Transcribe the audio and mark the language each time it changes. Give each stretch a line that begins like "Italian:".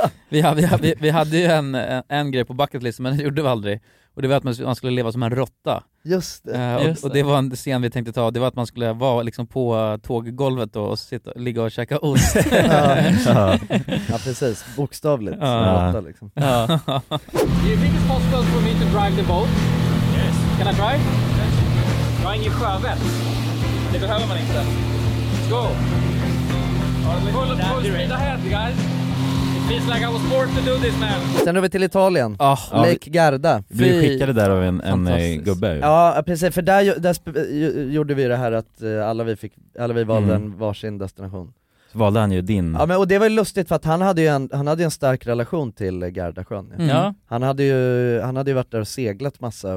Swedish: Ja. vi hade ju en grej på bucket list, men det gjorde vi aldrig. Och det var att man skulle leva som en råtta. Just det. Och det var en scen vi tänkte ta. Det var att man skulle vara liksom på tåggolvet då och sitta, ligga och käka ost. Ja, precis. Bokstavligt. Ja. Råtta liksom. Ja.
English: Do you think it's possible for me to drive the boat? Yes. Can I try?
Swedish: Det behöver man inte.
English: Let's go. Pull up, speed ahead, guys. feels like I was born to do this, man.
Swedish: Sen över till Italien. Lake Garda. Vi blev skickade där av en gubbe. Ja, precis. För där gjorde vi det här att alla vi valde en varsin destination. Så valde han ju din. Ja, men, och det var ju lustigt för att han hade ju en stark relation till Gardasjön. Ja. Mm. Han hade ju varit där och seglat massa.